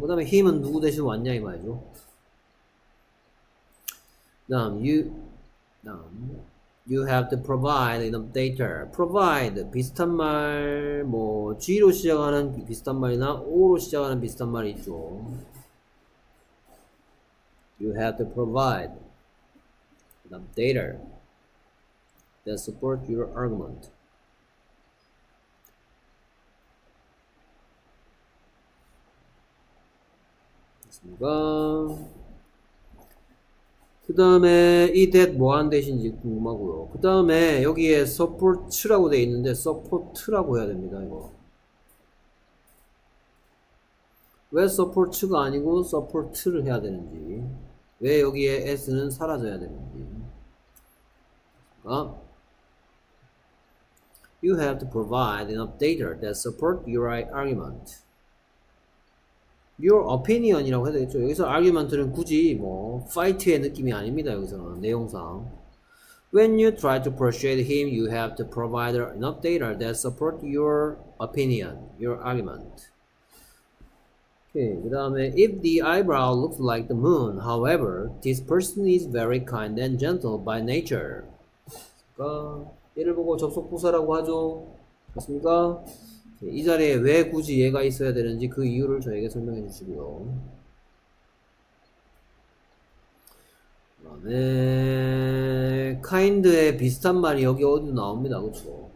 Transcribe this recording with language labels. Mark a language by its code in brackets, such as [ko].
[ko] 그 다음에 힘은 누구 대신 왔냐, 이 말이죠. 다음, [en] you have to provide enough data. provide. [ko] 비슷한 말, 뭐, G로 시작하는 비슷한 말이나 O로 시작하는 비슷한 말이 있죠. [en] You have to provide enough data that support your argument. [ko] 그 다음에 이 that 뭐 하는 대신인지 궁금하고요. 그 다음에 여기에 support라고 돼 있는데 support라고 해야 됩니다, 이거. 왜 support가 아니고 support를 해야 되는지. 왜 여기에 S는 사라져야 되는지. 어? [en] You have to provide enough data that support your argument. Your opinion [ko] 이라고 해야 되겠죠. 여기서 argument는 굳이 뭐 fight의 느낌이 아닙니다. 여기서는 내용상. [en] When you try to persuade him, you have to provide enough data that support your opinion, your argument. [ko] 그 다음에 [en] If the eyebrow looks like the moon, however, this person is very kind and gentle by nature. [ko] 얘를 보고 접속부사라고 하죠. 맞습니까? 이 자리에 왜 굳이 얘가 있어야 되는지 그 이유를 저에게 설명해 주시고요. 그 다음에 kind의 비슷한 말이 여기 어디 나옵니다. 그렇죠?